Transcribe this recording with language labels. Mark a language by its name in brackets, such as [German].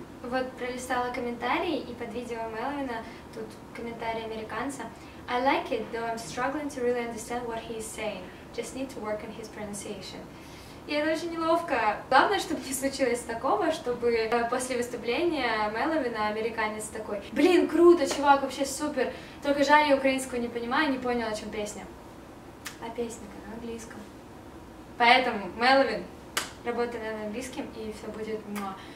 [Russian] Вот пролистала комментарии, и под видео Меловина тут комментарий американца. [English] I like it, though I'm struggling to really understand what he's saying. Just need to work on his pronunciation. [Russian] И это очень неловко. Главное, чтобы не случилось такого, чтобы после выступления Меловина американец такой: блин, круто, чувак, вообще супер. Только жаль, я украинского не понимаю, не понял, о чем песня. А песня-то на английском. Поэтому, Меловин, работай на английском, и все будет муа.